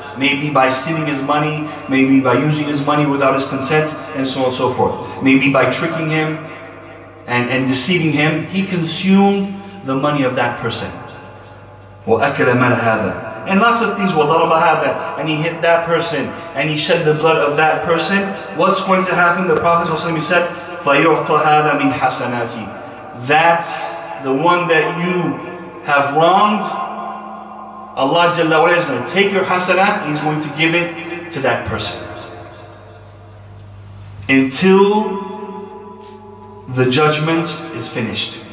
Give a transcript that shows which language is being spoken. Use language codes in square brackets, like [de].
[en] Maybe by stealing his money, maybe by using his money without his consent, and so on and so forth. Maybe by tricking him and deceiving him, he consumed the money of that person. [ar] وَأَكَلَ مَالَ هَذَا. [en] And lots of things, [ar] وَضَرَبَ هَذَا. [en] And he hit that person, and he shed the blood of that person. What's going to happen? The Prophet ﷺ said, [ar] فَيُعْطَ هَذَا مِنْ حَسَنَاتِ. [en] That the one that you have wronged, Allah Jalla wa'ala is going to take your hasanat, He's going to give it to that person. Until the judgment is finished.